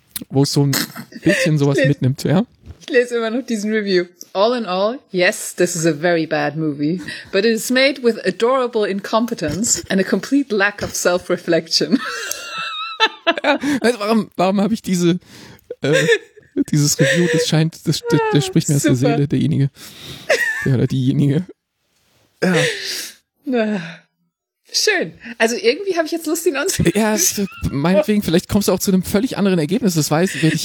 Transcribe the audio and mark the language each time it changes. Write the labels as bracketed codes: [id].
[de] Wo es so ein bisschen sowas mitnimmt, ja? Ich lese immer noch diesen Review. [en] All in all, yes, this is a very bad movie, but it is made with adorable incompetence and a complete lack of self-reflection. [de] Ja, also warum habe ich dieses Review? Das scheint, das spricht mir aus der Seele, derjenige. Ja, oder diejenige. Ja. Na. Schön. Also irgendwie habe ich jetzt Lust, ihn anzusehen. Ja, meinetwegen, vielleicht kommst du auch zu einem völlig anderen Ergebnis, das weiß ich.